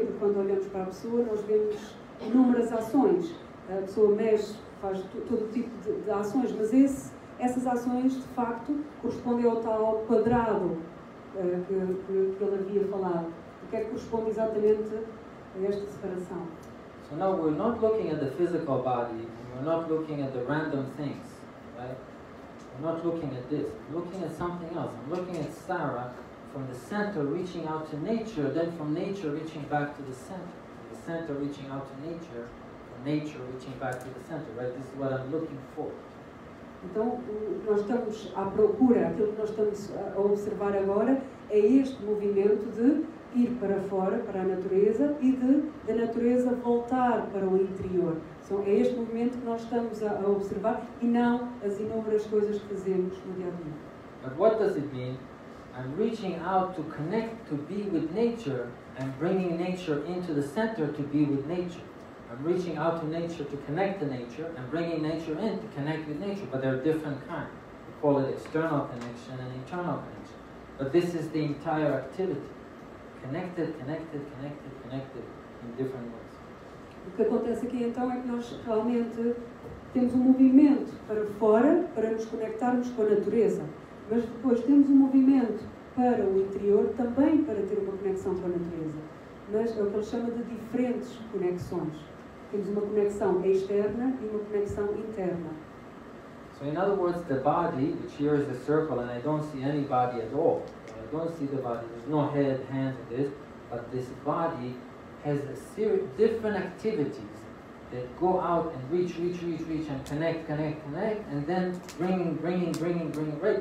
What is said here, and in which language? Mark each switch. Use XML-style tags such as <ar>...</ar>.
<pt>Porque quando olhamos para a pessoa, nós vemos inúmeras ações. A pessoa mexe, faz todo tipo de ações, mas essas ações, de facto, correspondem ao tal quadrado que ele havia falado. O que é que corresponde exatamente a esta separação?</pt> <en>So now we're not looking at the physical body, and we're not looking at the random things, right? I'm not looking at this, I'm looking at something else. I'm looking at Sarah from the center reaching out to nature, then from nature reaching back to the center. From the center reaching out to nature, from nature reaching back to the center, right? This is what I'm looking for.</en> <pt>Então, o que nós estamos à procura, aquilo que nós estamos a observar agora, é este movimento de ir para fora, para a natureza, e de da natureza voltar para o interior. Então, é este movimento que nós estamos a observar e não as inúmeras coisas que fazemos no dia a dia.</pt> <en>But what does it mean? I'm reaching out to connect, to be with nature, and bringing nature into the center to be with nature. I'm reaching out to nature to connect to nature, and bringing nature in to connect with nature. But they're different kinds. We call it external connection and internal connection. But this is the entire activity. Connected, connected, connected, connected in different ways.</en> <pt>O que acontece aqui então é que nós realmente temos um movimento para fora, para nos conectarmos com a natureza. Mas depois temos um movimento para o interior, também para ter uma conexão com a natureza. Mas é o que ele chama de diferentes conexões. Temos uma conexão externa e uma conexão interna.</pt> <en>So in other words, the body, which here is the circle, and I don't see any body at all. I don't see the body, there's no head, hands, or this, but this body has a series of different activities that go out and reach, and connect, and then bringing, right?</en>